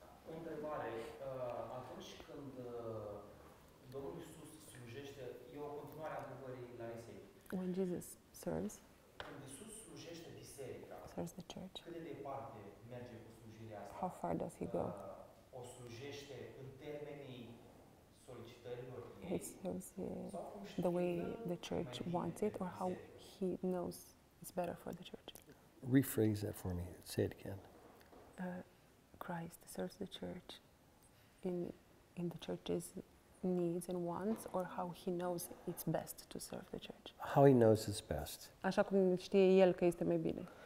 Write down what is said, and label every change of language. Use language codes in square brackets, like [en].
[ro] O întrebare, atunci când Domnul Iisus slujește, e o continuare a întrebării la biserică. [en] When Jesus serves. [ro] Când Iisus slujește biserica. [en] Serves the church. [ro] Cât de departe merge cu slujirea asta? [en] How far does he go? [ro] O slujește în termenii solicitărilor ei. [en] It serves the way the church wants it or how he knows it's better for the church. Rephrase that for me. Say it again. Christ serves the church in the church's needs and wants, or how he knows it's best to serve the church. How he knows it's best. [ro] Așa cum știe el că este mai bine.